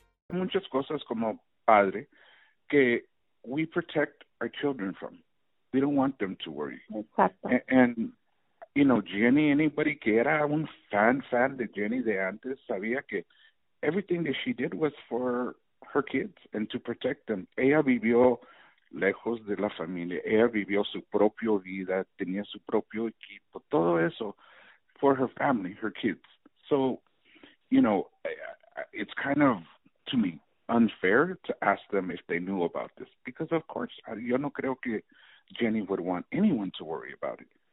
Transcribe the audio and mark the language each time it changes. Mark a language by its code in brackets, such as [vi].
[es] Muchas cosas como padre que [en] we protect our children from. We don't want them to worry. [es] Exacto. [en] And, you know, Jenny, anybody [es] que era un fan de [en] Jenny de antes, sabía que everything that she did was for her kids and to protect them. [es] Ella vivió lejos de la familia. Ella vivió su propia vida, tenía su propio equipo, todo eso [en] for her family, her kids. So, you know, it's kind of, to me, unfair to ask them if they knew about this. Because, of course, [es] yo no creo que [en] Jenny would want anyone to worry about it.